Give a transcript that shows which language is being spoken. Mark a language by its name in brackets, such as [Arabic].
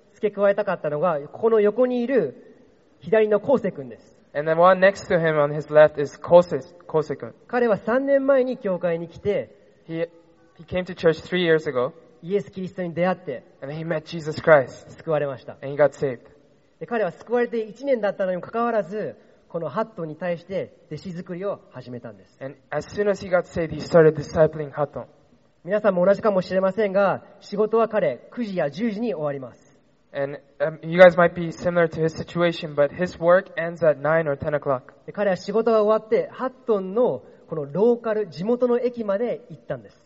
[Japanese] 付け加えたかったのがこの横にいる左のコウセ君です。 [English] And the one next to him on his left is Kose 君。 [Japanese] 彼は3年前に教会に来て、 [English] he came to church 3 years ago。 [Japanese] イエス・キリストに出会って、 [English] and he met Jesus Christ。 [Japanese] 救われました。 [English] and he got saved。 [Japanese] で彼は救われて1年だったのにもかかわらず、このハットに対して弟子作りを始めたんです。 [English] and as soon as he got saved, he started discipling Hatton。 [Japanese] 皆さんも同じかもしれませんが、仕事は彼9時や10時に終わります。 [English] And you guys might be similar to his situation, but his work ends at 9 or 10 o'clock. [Japanese] 彼は仕事が終わってハットンのこのローカル地元の駅まで行ったんです。